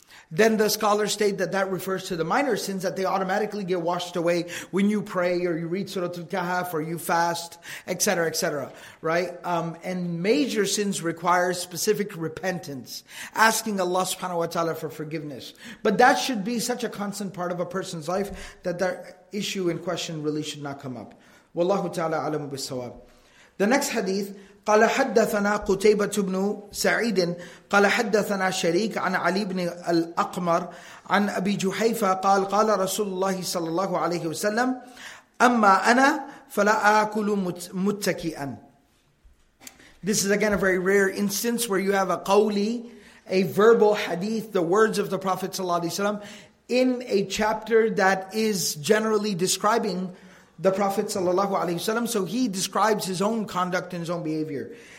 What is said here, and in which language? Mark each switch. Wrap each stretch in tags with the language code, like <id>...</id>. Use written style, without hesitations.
<en>Then the scholars state that that refers to the minor sins, that they automatically get washed away when you pray or you read Surah Al-Kahf or you fast, etc., etc., right? And major sins require specific repentance, asking Allah subhanahu wa ta'ala for forgiveness. But that should be such a constant part of a person's life that that issue in question really should not come up.</en> <ar>Wallahu ta'ala alamu bis-sawab.</ar> <en>The next hadith,</en> <ar>قال حدثنا قتيبة بن سعيد قال حدثنا شريك عن علي بن الأقمر عن أبي جحيفة قال قال رسول الله صلى الله عليه وسلم أما أنا فلا أكل متكئا.</ar> <en>This is again a very rare instance where you have a qawli, a verbal hadith, the words of the Prophet صلى الله عليه وسلم, in a chapter that is generally describing the Prophet sallallahu alaihi wasallam, so he describes his own conduct and his own behavior.</en>